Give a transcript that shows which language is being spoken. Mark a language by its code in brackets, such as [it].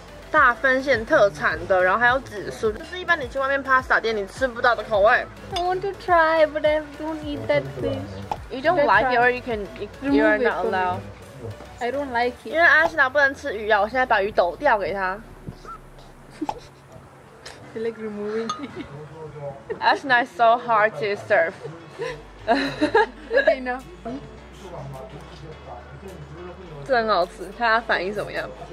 [zh] 大分县特产的，然后还有紫苏，就是一般你去外面 pasta 店你吃不到的口味。 [en] I want to try, but I don't eat that fish. You don't like it, or you can, you are not allowed. I don't like it. [zh] 因为阿西达不能吃鱼啊，我现在把鱼抖掉给他。 [en] He like removing. Ashna is so hard to serve. Okay, no. [zh] 这很好吃，看他反应怎么样。